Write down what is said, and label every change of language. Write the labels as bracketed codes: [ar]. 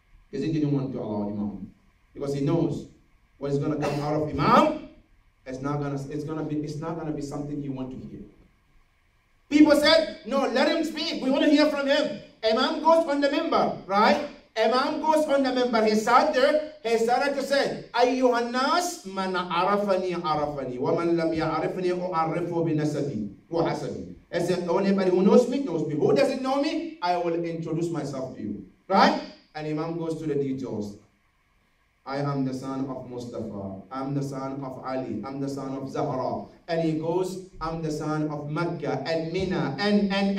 [en] Because he didn't want to allow Imam. Because he knows what is gonna come out of Imam, it's not gonna be something you want to hear. People said, no, let him speak. We want to hear from him. Imam goes on the member, right? Imam goes on the member. He sat there. He started to say, [ar] أَيُّهَا النَّاسِ مَنْ عَرَفَنِي عَرَفَنِي وَمَنْ لَمْ يَعْرِفْنِي أُعَرِّفُهُ بِنَسَبِي وَحَسَبِي. [en] He said, anybody who knows me, knows me. Who doesn't know me, I will introduce myself to you. Right? And Imam goes to the details. I am the son of Mustafa. I'm the son of Ali. I'm the son of Zahra. And he goes, I'm the son of Mecca and Mina and.